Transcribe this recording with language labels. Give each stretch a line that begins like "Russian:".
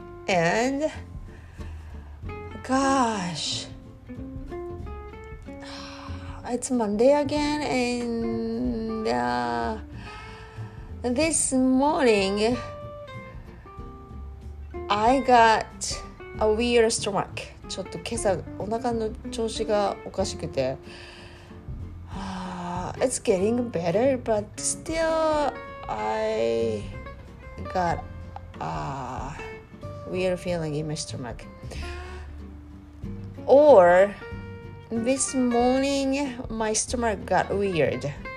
English: And gosh, it's Monday again, and this morning I got a weird stomach.
Japanese: ちょっと今朝お腹の調子がおかしくて、
English: It's getting better, but still I got a weird feeling in my stomach. Or this morning my stomach got weird.